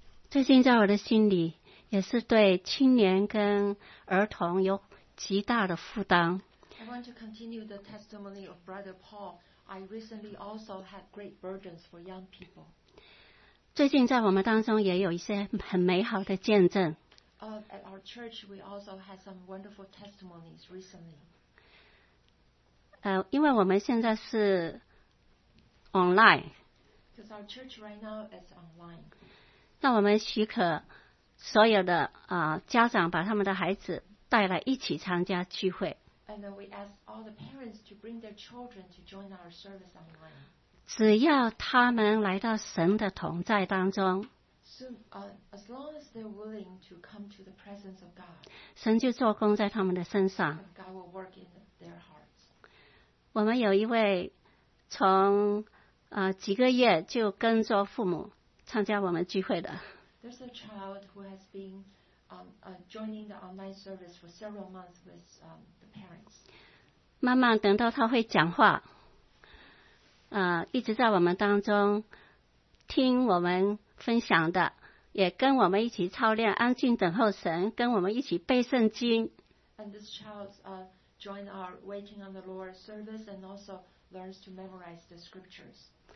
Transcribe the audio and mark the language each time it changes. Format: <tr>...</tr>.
<zh>最近在我的心里也是对青年跟儿童有极大的负担。</zh> <en>I want to continue the testimony of Brother Paul. I recently also had great burdens for young people.</en> <zh>最近在我们当中也有一些很美好的见证。</zh> <en>At our church, we also had some wonderful testimonies recently.</en> <zh>因为我们现在是 online.</zh> <en>Because our church right now is online.</en> <zh>那我们许可所有的家长把他们的孩子带来一起参加聚会。</zh> <en>And then we ask all the parents to bring their children to join our service online.</en> <zh>只要他们来到神的同在当中。</zh> <en>As long as they're willing to come to the presence of God,</en> <zh>神就做工在他们的身上。</zh> <en>God will work in their hearts.</en> <zh>我们有一位从几个月就跟着父母参加我们聚会的。</zh> <en>There's a child who has been joining the online service for several months with the parents.</en> <zh>慢慢等到他会讲话，一直在我们当中听我们。分享的也跟我们一起操练安静等候神跟我们一起背圣经</zh> <en>and this child joined our waiting on the Lord service and also learns to memorize the scriptures</en>